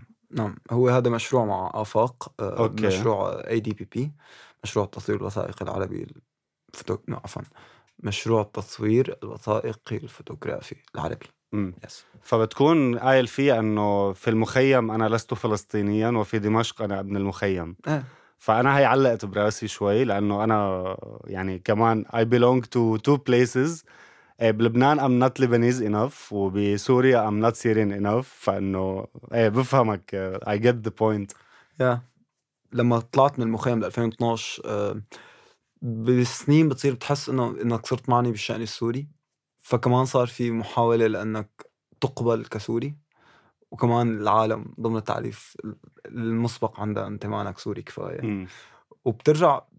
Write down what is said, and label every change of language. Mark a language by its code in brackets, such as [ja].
[ar] نعم هو هذا مشروع مع آفاق، مشروع ADPP، مشروع التصوير الوثائقي العربي مشروع التصوير الوثائقي الفوتوغرافي العربي. [en] Yes. [ar] فبتكون قايل فيها انه في المخيم انا لست فلسطينيا، وفي دمشق انا ابن المخيم. فانا هي علقت براسي شوي، لانه انا يعني كمان [en] I belong to two places، [ar] ايه بلبنان [en] I'm not Lebanese enough، [ar] وبسوريا [en] I'm not Syrian enough. [ar] فانه ايه بفهمك، [en] I get the point. yeah. [ar] لما طلعت من المخيم 2012 بالسنين بتصير بتحس انك صرت معني بالشأن السوري، فكمان صار في محاولة لانك تقبل كسوري، وكمان العالم ضمن التعريف المسبق عندها انت مانك سوري كفاية. وبترجع